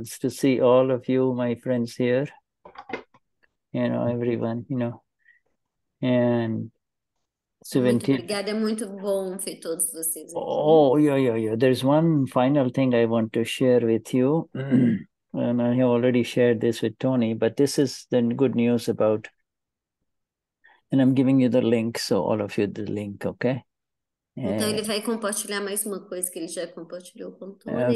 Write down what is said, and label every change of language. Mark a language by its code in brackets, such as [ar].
[en] It's to see all of you, my friends here. You know, everyone, you know. And [pt] Muito obrigada, é muito bom ver todos vocês aqui. [en] Oh, yeah. There's one final thing I want to share with you. And I already shared this with Tony, but this is the good news about, and I'm giving you the link, so all of you the link, okay? [pt] Então ele vai compartilhar mais uma coisa que ele já compartilhou com Tony.